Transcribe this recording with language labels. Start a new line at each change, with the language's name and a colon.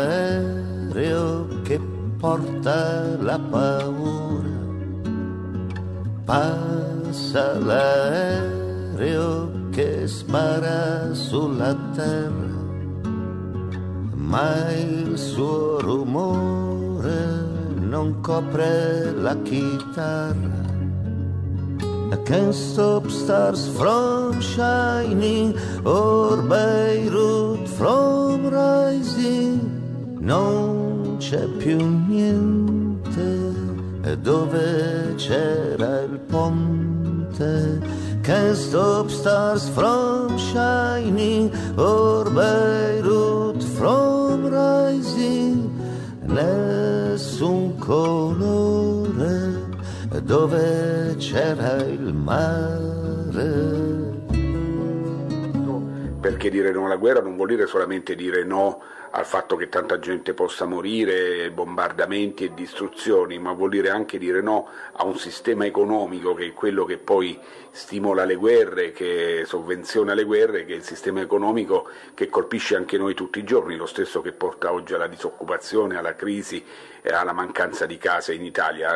Italian: salario che porta la paura, passa l'aereo che spara sulla terra, ma il suo rumore non copre la chitarra.
English: I can't stop stars from shining or Beirut from rising.
Italian: Non c'è più niente dove c'era il ponte.
English: Can't stop stars from shining or Beirut from rising.
Italian: Nessun colore dove c'era il mare. Perché dire no alla guerra non vuol dire solamente dire no al fatto che tanta gente possa morire, bombardamenti e distruzioni, ma vuol dire anche dire no a un sistema economico che è quello che poi stimola le guerre, che sovvenziona le guerre, che è il sistema economico che colpisce anche noi tutti i giorni, lo stesso che porta oggi alla disoccupazione, alla crisi e alla mancanza di case in Italia.